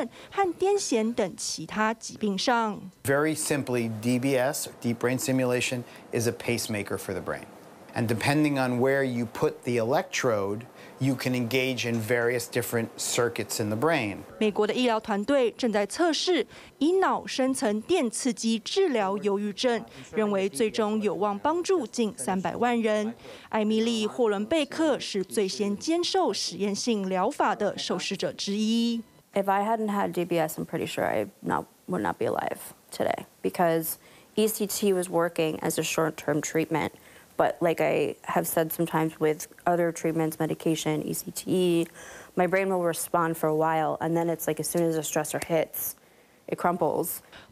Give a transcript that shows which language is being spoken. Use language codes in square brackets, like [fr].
[zh] 医疗工具越来越多，在美国，对于深陷重度忧郁症的患者来说，新的治疗方法也有望在短期内获得批准。目前已被用在治疗帕金森氏症和癫痫等其他疾病上。 [en] Very simply, DBS, deep brain stimulation, is a pacemaker for the brain. And depending on where you put the electrode, you can engage in various different circuits in the brain. [zh] 美国的医疗团队正在测试以脑深层电刺激治疗忧郁症，认为最终有望帮助近300万人。艾米丽·霍伦贝克是最先接受实验性疗法的受试者之一。 [en] If I hadn't had DBS, I'm pretty sure I would not be alive today because ECT was working as a short-term treatment. But like I have said, sometimes with other treatments, medication, ECT, my brain will respond for a while, and then it's like as soon as the stressor hits, it crumples.